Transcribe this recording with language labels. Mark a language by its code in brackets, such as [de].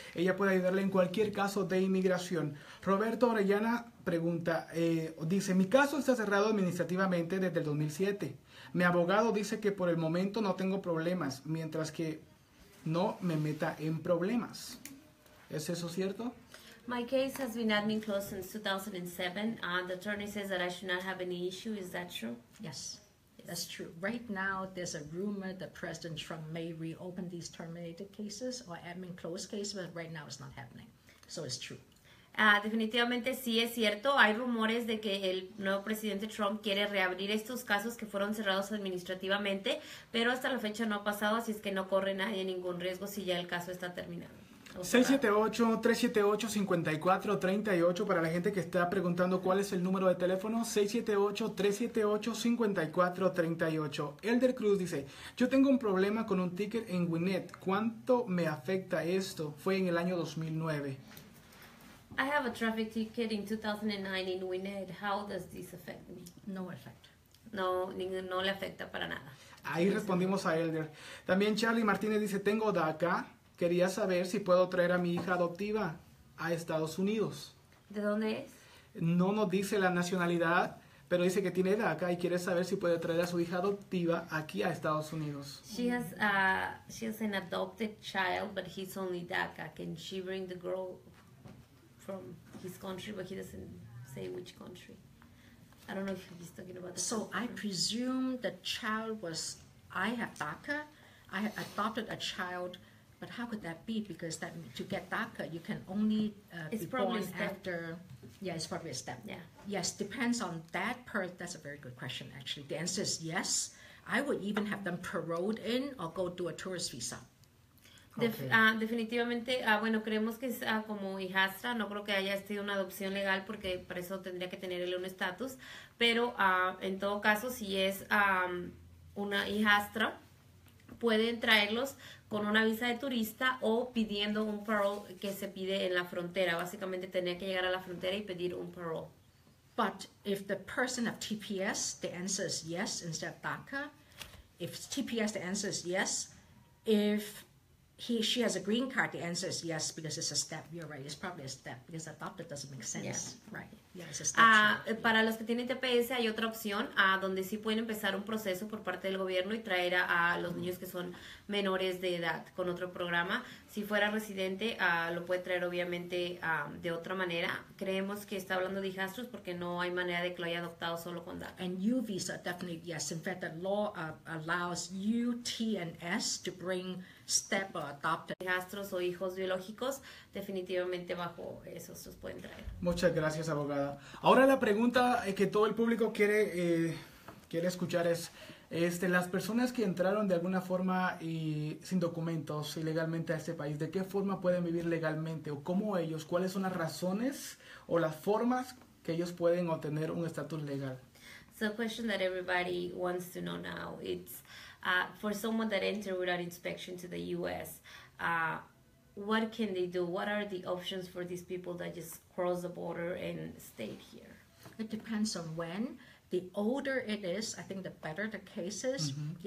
[es] Ella puede ayudarle en cualquier caso de inmigración. Roberto Orellana pregunta, dice, mi caso está cerrado administrativamente desde el 2007. Mi abogado dice que por el momento no tengo problemas, mientras que no me meta en problemas. ¿Es eso cierto? [en] My case has been admin closed since 2007. The attorney says that I should not have any issue. Is that true? Yes, that's true. Right now, there's a rumor that President Trump may reopen these terminated cases or admin closed cases, but right now it's not happening. So it's true. [es] Definitivamente sí es cierto. Hay rumores de que el nuevo presidente Trump quiere reabrir estos casos que fueron cerrados administrativamente, pero hasta la fecha no ha pasado, así es que no corre nadie ningún riesgo si ya el caso está terminado. 678-378-5438 para la gente que está preguntando cuál es el número de teléfono. 678-378-5438. Elder Cruz dice, yo tengo un problema con un ticket en Gwinnett. ¿Cuánto me afecta esto? Fue en el año 2009. [en] I have a traffic ticket in 2009 in Gwinnett. How does this affect me? No effect. [es] No, no le afecta para nada. Ahí respondimos a Elder. También Charlie Martínez dice, tengo DACA. Quería saber si puedo traer a mi hija adoptiva a Estados Unidos. ¿De dónde es? No nos dice la nacionalidad, pero dice que tiene DACA y quiere saber si puede traer a su hija adoptiva aquí a Estados Unidos. [en] She has an adopted child, but he's only DACA. Can she bring the girl from his country, but he doesn't say which country. I don't know if he's talking about that. So I presume the child was, I have DACA, I adopted a child, but how could that be? Because that to get DACA, you can only it's probably a step. Yeah. Yes, depends on that part. That's a very good question, actually. The answer is yes. I would even have them paroled in or go do a tourist visa. Okay. [es] Definitivamente, creemos que es como hijastra, no creo que haya sido una adopción legal porque para eso tendría que tenerle un estatus, pero en todo caso, si es una hijastra, pueden traerlos con una visa de turista o pidiendo un parole que se pide en la frontera. Básicamente tenía que llegar a la frontera y pedir un parole. [en] But if the person of TPS, the answer is yes instead of DACA. If TPS, the answer is yes. If she has a green card, the answer is yes, because it's a step. You're right, it's probably a step, because adopted doesn't make sense. Yeah. Right. Yeah, it's a step. [es] Para los que tienen TPS, hay otra opción, donde sí pueden empezar un proceso por parte del gobierno y traer a los niños que son menores de edad con otro programa. Si fuera residente, lo puede traer obviamente de otra manera. Creemos que está hablando de hijastros porque no hay manera de que lo haya adoptado solo con DACA. [en] And U visa, definitely yes. In fact, the law allows U, T, and S to bring step or adopted. [es] Hijastros o hijos biológicos, definitivamente bajo esos los pueden traer. Muchas gracias, abogada. Ahora la pregunta que todo el público quiere, quiere escuchar es, las personas que entraron de alguna forma y sin documentos ilegalmente a este país, ¿de qué forma pueden vivir legalmente o cómo ellos? ¿Cuáles son las razones o las formas que ellos pueden obtener un estatus legal? [en] So, question that everybody wants to know now, it's for someone that entered without inspection to the U.S., what can they do? What are the options for these people that just cross the border and stayed here? It depends on when. The older it is, I think the better the case is. Mm-hmm.